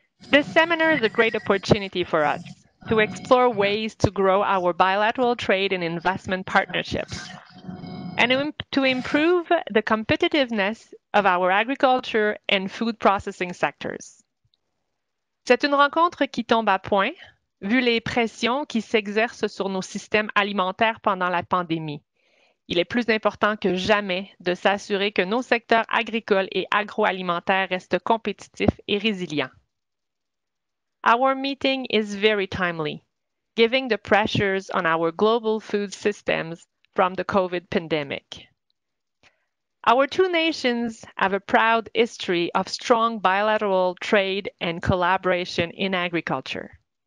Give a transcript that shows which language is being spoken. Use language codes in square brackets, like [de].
[en] This seminar is a great opportunity for us to explore ways to grow our bilateral trade and investment partnerships and to improve the competitiveness of our agriculture and food processing sectors. [fr] C'est une rencontre qui tombe à point, vu les pressions qui s'exercent sur nos systèmes alimentaires pendant la pandémie. Il est plus important que jamais de s'assurer que nos secteurs agricoles et agroalimentaires restent compétitifs et résilients. [en] Our meeting is very timely, given the pressures on our global food systems from the COVID pandemic. Our two nations have a proud history of strong bilateral trade and collaboration in agriculture.